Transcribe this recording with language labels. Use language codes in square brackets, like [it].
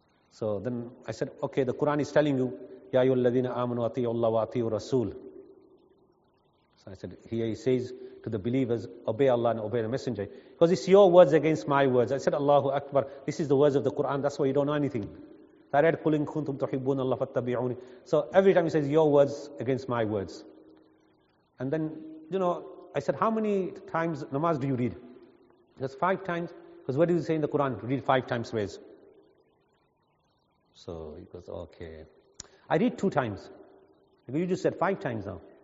[en] So then I said, okay, the Quran is telling you, [ar] Ya ayyuhalladhina amanu atiyu Allah wa atiyu Rasul. [en] So I said, here he says to the believers, obey Allah and obey the messenger. Because it's your words against my words. I said, Allahu Akbar, this is the words of the Quran, that's why you don't know anything. I read, [ar] قُلْ إِن كُنْتُمْ تُحِبُّونَ اللَّهَ فَاتَّبِعُونِ. [en] So every time he says, your words against my words. And then, you know, I said, how many times namaz do you read? He says, 5 times. Because what do you say in the Quran? Read 5 times, ways. So he goes, okay. I read 2 times. You just said 5 times now.